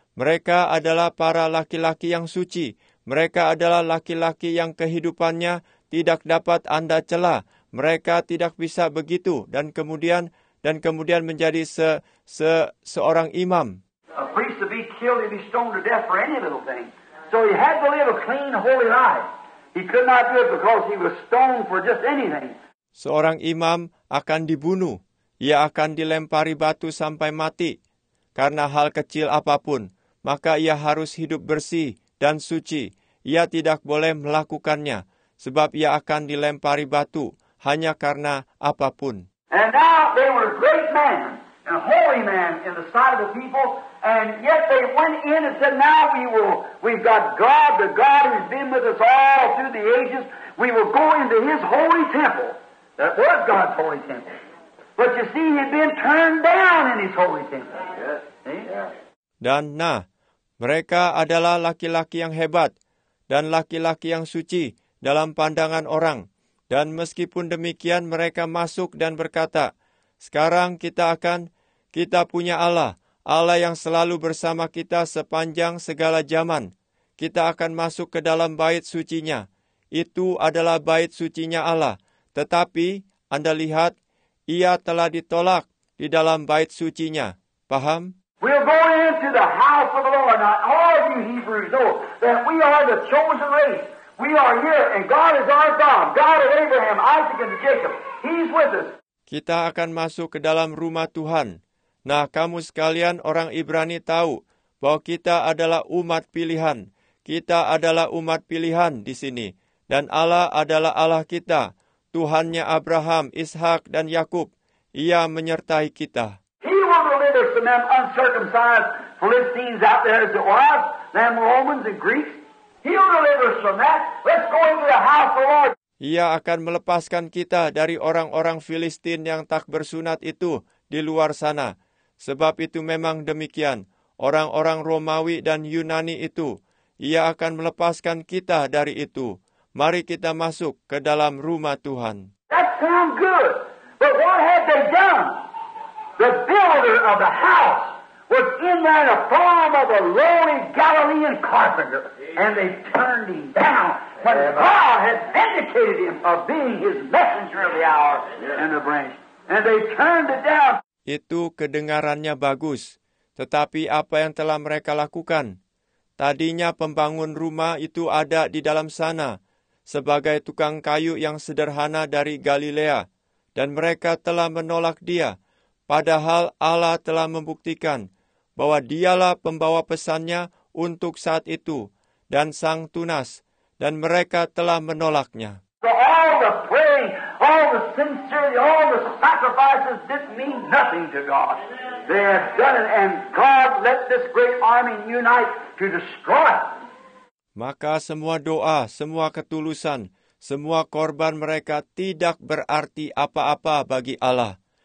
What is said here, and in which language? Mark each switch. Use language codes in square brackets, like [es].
[id] Mereka adalah para laki-laki yang suci. Mereka adalah laki-laki yang kehidupannya tidak dapat Anda cela. Mereka tidak bisa begitu. Dan kemudian menjadi seorang imam. [en] A priest would be killed if he stoned to death for any little thing. So he had to live a clean, holy life. He could not do it because he was stoned for just anything. [id] Seorang imam akan dibunuh. Ia akan dilempari batu sampai mati. Karena hal kecil apapun, maka ia harus hidup bersih dan suci. Ia tidak boleh melakukannya, sebab ia akan dilempari batu hanya karena apapun. [en] And now they were great men and holy men in the sight of the people, and yet they went in and said, now we've got God, the God who's been with us all through the ages. We will go into His holy temple. That was God's holy temple. But you see, he'd been turned down in His holy temple. Yes. Yeah. [id] Dan nah, mereka adalah laki-laki yang hebat dan laki-laki yang suci dalam pandangan orang. Dan meskipun demikian, mereka masuk dan berkata, sekarang kita punya Allah, Allah yang selalu bersama kita sepanjang segala zaman. Kita akan masuk ke dalam bait sucinya. Itu adalah bait sucinya Allah. Tetapi, Anda lihat, ia telah ditolak di dalam bait sucinya. Paham? [en] We'll go into the house of the Lord. Now, all of you Hebrews know that we are the chosen race. We are here, and God is our God. God of Abraham, Isaac, and Jacob. He's with us. [id] Kita akan masuk ke dalam rumah Tuhan. Nah, kamu sekalian orang Ibrani tahu bahwa kita adalah umat pilihan. Kita adalah umat pilihan di sini. Dan Allah adalah Allah kita. Tuhannya Abraham, Ishak, dan Yakub. Ia menyertai kita. [en] Some uncircumcised Philistines out there as it was, them Romans and Greeks. He'll deliver us from that. Let's go into the house of the Lord. [id] Ia akan melepaskan kita dari orang-orang Filistin yang tak bersunat itu di luar sana. Sebab itu memang demikian. Orang-orang Romawi dan Yunani itu, ia akan melepaskan kita dari itu. Mari kita masuk ke dalam rumah Tuhan. [en] That sounds good. But what had they done? The builder of the house was in there in the form of a lowly Galilean carpenter. And they turned him down. But God had vindicated him of being his messenger of the hour and the branch. And they turned it down. [id] Itu kedengarannya bagus. Tetapi apa yang telah mereka lakukan? Tadinya pembangun rumah itu ada di dalam sana sebagai tukang kayu yang sederhana dari Galilea. Dan mereka telah menolak dia. Padahal Allah telah membuktikan bahwa dialah pembawa pesannya untuk saat itu dan sang tunas, dan mereka telah menolaknya. [en] So all the praying, all the sincerity, all the sacrifices didn't mean nothing to God. They had done it, and God let this great army unite to destroy it. [id] Maka semua doa, semua ketulusan, semua korban mereka tidak berarti apa-apa bagi Allah.